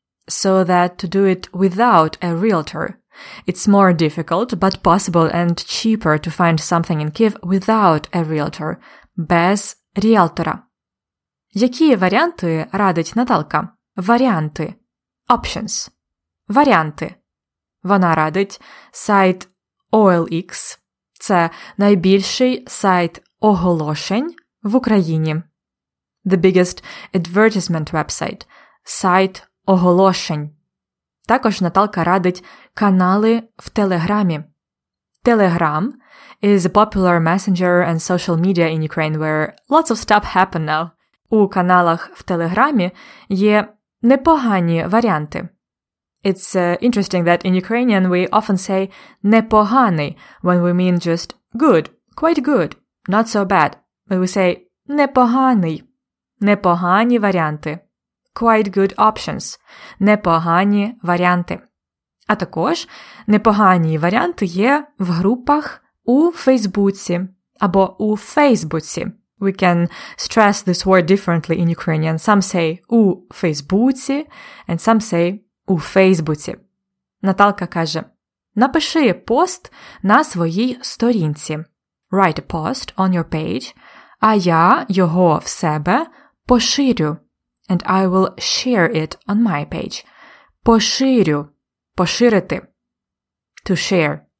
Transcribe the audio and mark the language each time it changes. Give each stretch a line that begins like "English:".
English: So that to do it without a realtor. It's more difficult, but possible and cheaper to find something in Kyiv without a realtor.
Ukrainian: Без ріелтора. Які варіанти радить Наталка? Варіанти. Options. Варіанти. Вона радить сайт OLX – це найбільший сайт оголошень в Україні.
English: The biggest advertisement website –
Ukrainian: сайт оголошень. Також Наталка радить канали в Телеграмі.
English: Telegram is a popular messenger and social media in Ukraine where lots of stuff happen now.
Ukrainian: У каналах в Телеграмі є непогані варіанти.
English: It's interesting that in Ukrainian we often say непоганий when we mean just good, quite good, not so bad. But we say
Ukrainian: непоганий, непогані варіанти,
English: quite good options,
Ukrainian: непогані варіанти. А також непогані варіанти є в групах у Фейсбуці або у Фейсбуці.
English: We can stress this word differently in Ukrainian. Some say
Ukrainian: у Фейсбуці
English: and some say у Фейсбуці.
Ukrainian: Наталка каже, напиши пост на своїй сторінці.
English: Write a post on your page,
Ukrainian: а я його в себе поширю.
English: And I will share it on my page.
Ukrainian: Поширю. Поширити.
English: To share.